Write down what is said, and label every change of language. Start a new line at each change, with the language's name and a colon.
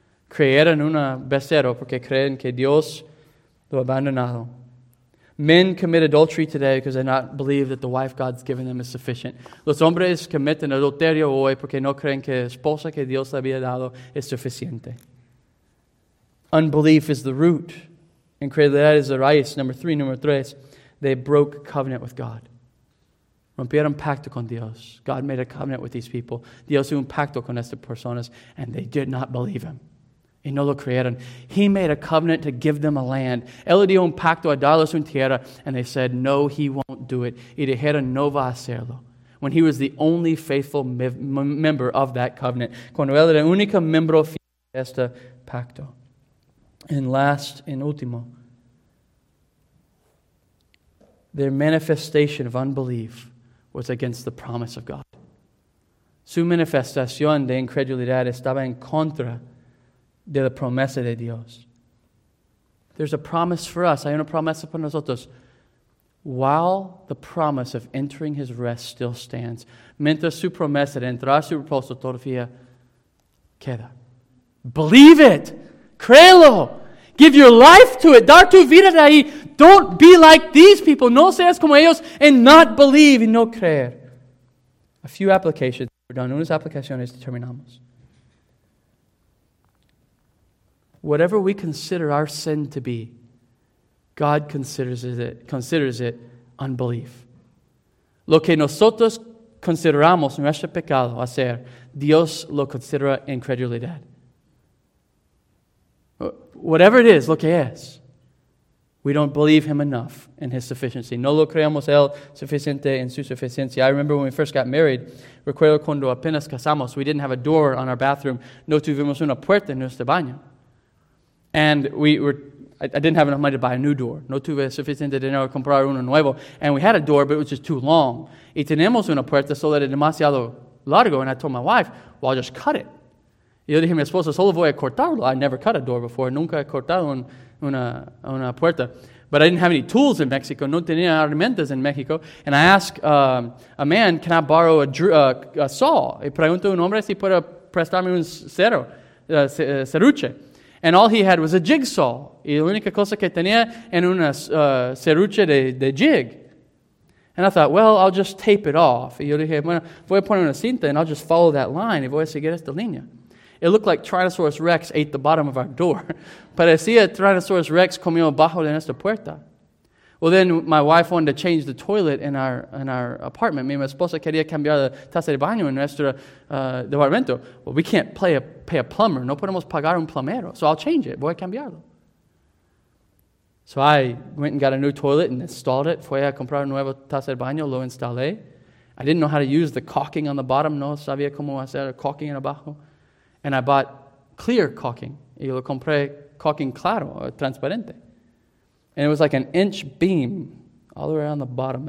Spanish: Creyeron un becerro porque creen que Dios lo abandonado.
English: Men commit adultery today because they not believe that the wife God's given them is sufficient.
Spanish: Los hombres cometen adulterio hoy porque no creen que la esposa que Dios le había dado es suficiente.
English: Unbelief is the root. Incredulidad is the raíz. Number three. They broke covenant with God.
Spanish: Rompieron pacto con Dios.
English: God made a covenant with these people.
Spanish: Dios hizo un pacto con estas personas,
English: and they did not believe him.
Spanish: Y no lo creyeron.
English: He made a covenant to give them a land.
Spanish: Él dio un pacto a darles una tierra.
English: And they said, no, he won't do it.
Spanish: Y dijeron, no va a hacerlo.
English: When he was the only faithful member of that covenant.
Spanish: Cuando él era el único miembro fiel de este pacto.
English: And last and último, their manifestation of unbelief was against the promise of God.
Spanish: Su manifestación de incredulidad estaba en contra de la promesa de Dios.
English: There's a promise for us.
Spanish: Hay una promesa para nosotros.
English: While the promise of entering his rest still stands,
Spanish: mientras su promesa de entrar a su reposo todavía queda.
English: Believe it!
Spanish: Créelo.
English: Give your life to it.
Spanish: Dar tu vida de ahí.
English: Don't be like these people.
Spanish: No seas como ellos
English: and not believe and
Spanish: no creer.
English: A few applications. We're done.
Spanish: Unas aplicaciones y terminamos.
English: Whatever we consider our sin to be, God considers it unbelief.
Spanish: Lo que nosotros consideramos nuestro pecado hacer, Dios lo considera incredulidad.
English: Whatever it is,
Spanish: lo que es,
English: we don't believe Him enough in His sufficiency.
Spanish: No lo creemos Él suficiente en su suficiencia.
English: I remember when we first got married,
Spanish: recuerdo cuando apenas casamos,
English: we didn't have a door on our bathroom,
Spanish: no tuvimos una puerta en nuestro baño.
English: And I didn't have enough money to buy a new door.
Spanish: No tuve suficiente dinero para comprar uno nuevo.
English: And we had a door, but it was just too long.
Spanish: Y tenemos una puerta solo de demasiado largo.
English: And I told my wife, well, I'll just cut it.
Spanish: Y yo dije a mi esposa, solo voy a cortarlo.
English: I never cut a door before.
Spanish: Nunca he cortado una puerta.
English: But I didn't have any tools in Mexico.
Spanish: No tenía herramientas en Mexico.
English: And I asked a man, can I borrow a saw?
Spanish: Y pregunto a un hombre si puede prestarme un serruche.
English: And all he had was a jigsaw.
Spanish: Y la única cosa que tenía era una serrucha de jig.
English: And I thought, well, I'll just tape it off.
Spanish: Y yo dije, bueno, voy a poner una cinta
English: and I'll just follow that line
Spanish: y voy a seguir esta línea.
English: It looked like Tyrannosaurus Rex ate the bottom of our door.
Spanish: Parecía Tyrannosaurus Rex comió bajo de nuestra puerta.
English: Well, then my wife wanted to change the toilet in our apartment.
Spanish: Mi esposa quería cambiar la taza de baño en nuestro departamento.
English: Well, we can't pay a plumber.
Spanish: No podemos pagar un plomero.
English: So I'll change it.
Spanish: Voy a cambiarlo.
English: So I went and got a new toilet and installed it.
Spanish: Fui a comprar un nuevo taza de baño. Lo instalé.
English: I didn't know how to use the caulking on the bottom.
Spanish: No sabía cómo hacer el caulking en abajo.
English: And I bought clear caulking.
Spanish: Y lo compré caulking claro, transparente.
English: And it was like an inch beam all the way around the bottom.